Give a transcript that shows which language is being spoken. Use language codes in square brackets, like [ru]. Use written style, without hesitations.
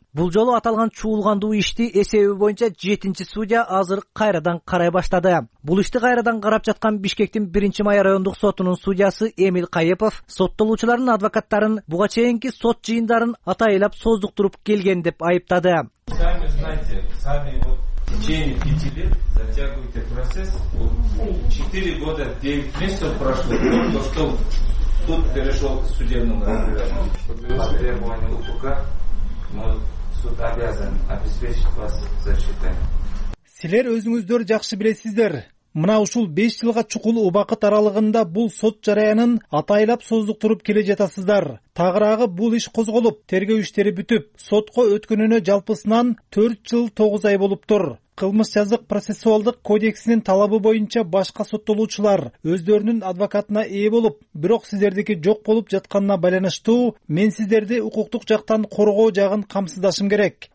[ky] Бул жолу аталган чуулгандуу ишти эсеби боюнча 7-нчи судья азыр кайрадан карай баштады. Бул ишти кайрадан карап жаткан Бишкектин 1-май райондук сотунун судьясы Эмиль Кайыпов соттолуучулардын адвокаттарын буга чейинки сот жыйындарын атайылап создуктуруп келген деп айыптады. [ru] В течение 5 лет затягиваете процесс. 4 года 9 месяцев прошло, то что тут перешел к судебному разбирательству. По требованию УПК мы суд обязан обеспечить вас защитой. [ky] Силер өзүңүздөр жакшы билесиздер. Мына ушул 5 жылга чукул убакыт аралыгында бул сот жараянын атайылап создуктуруп келе жатасыздар. Тагырагы бул иш козголуп, тергөө иштери бүтүп, сотко өткөнүнө жалпысынан 4 жыл 9 ай болуптур. Кылмыш жазык процессуалдык кодексинин талабы боюнча башка соттолуучулар өздөрүнүн адвокатына ээ болуп, бирок сиздердики жок болуп жатканына байланыштуу, мен сиздерди укуктук жактан коргоо жагын камсыздашым керек.